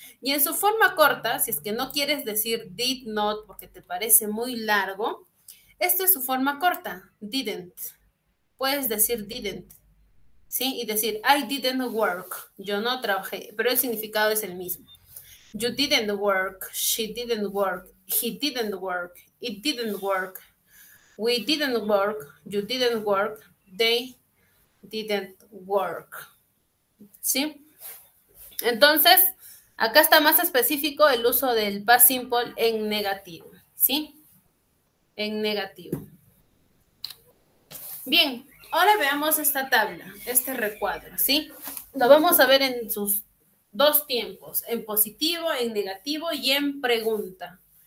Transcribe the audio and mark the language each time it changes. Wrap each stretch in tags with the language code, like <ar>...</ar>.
<es>Y en su forma corta, si es que no quieres decir</es> <en>did not</en> <es>porque te parece muy largo, esta es su forma corta, didn't. Puedes decir didn't, ¿sí? Y decir,</es> <en>I didn't work,</en> <es>yo no trabajé, pero el significado es el mismo.</es> <en>You didn't work, she didn't work, he didn't work, it didn't work, we didn't work, you didn't work, they didn't work.</en> <es>¿Sí? Entonces, acá está más específico el uso del past simple en negativo, ¿sí? En negativo. Bien, ahora veamos esta tabla, este recuadro, ¿sí? Lo vamos a ver en sus dos tiempos, en positivo, en negativo y en pregunta.</es>